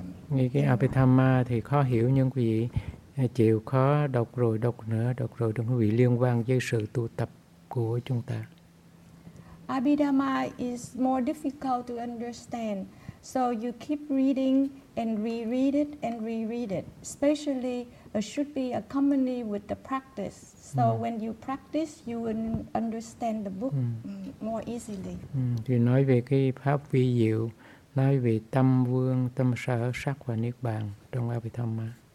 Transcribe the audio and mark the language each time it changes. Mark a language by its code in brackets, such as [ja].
[vi] nghe cái Abhidhamma thì khó hiểu, nhưng quý vị chịu khó đọc rồi đọc nữa, đọc rồi đừng có bị liên quan với sự tu tập của chúng ta. [en] Abhidhamma is more difficult to understand, so you keep reading and reread it and reread it. Especially, it should be accompanied with the practice. So when you practice, you will understand the book more easily. [vi] Thì nói về cái pháp vi diệu nói về tâm vương, tâm sở sắc và niết bàn trong Abhidhamma.